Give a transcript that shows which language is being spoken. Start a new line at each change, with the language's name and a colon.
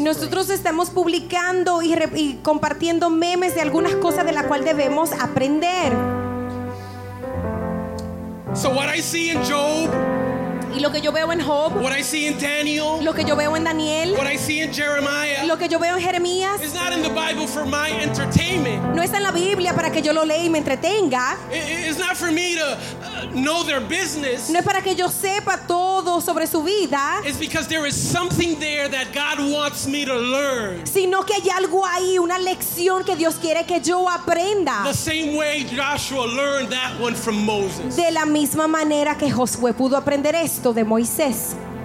Spanish: Nosotros estamos publicando y compartiendo memes de algunas cosas de las cuales debemos aprender.
English: So what I see in Job
Spanish: Y lo que yo veo en Job,
English: what I see in Daniel,
Spanish: lo que yo veo en Daniel,
English: what I see in Jeremiah,
Spanish: lo que yo veo en Jeremías,
English: is not in the Bible for my entertainment.
Spanish: No está en la Biblia para que yo lo lea y me entretenga.
English: It's not for me to know their business.
Spanish: No es para que yo sepa todo sobre su vida.
English: It's because there is something there that God wants me to learn.
Spanish: Sino que hay algo ahí, una lección que Dios quiere que yo aprenda.
English: The same way Joshua learned that one from Moses.
Spanish: De la misma manera que Josué pudo aprender esto de Moisés.